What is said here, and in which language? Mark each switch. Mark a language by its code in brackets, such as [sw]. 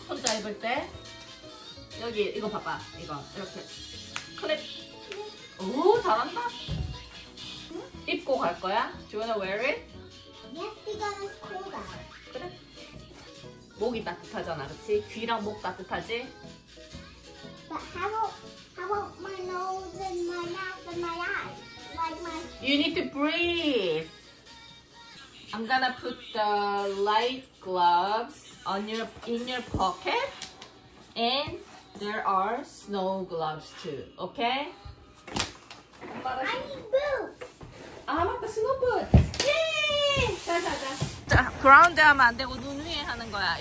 [ko] 혼자 입을 때 여기 이거 봐봐. 이거 이렇게 클립. 오 잘한다. 입고 갈 거야? [en] Do you wanna wear it? Yes, because it's cold. [ko] 그래. 목이 따뜻하잖아, 그렇지? 귀랑 목 따뜻하지? [en] But how about my nose and my mouth and my eyes? You need to breathe. I'm gonna put the light gloves on your in your pocket, and there are snow gloves too. Okay. I need boots. Ah, [ko] 맞다, [en] snow boots. [ko] Yay! 자. 자, 그라운드 하면 안 되고 눈 위에 하는 거야.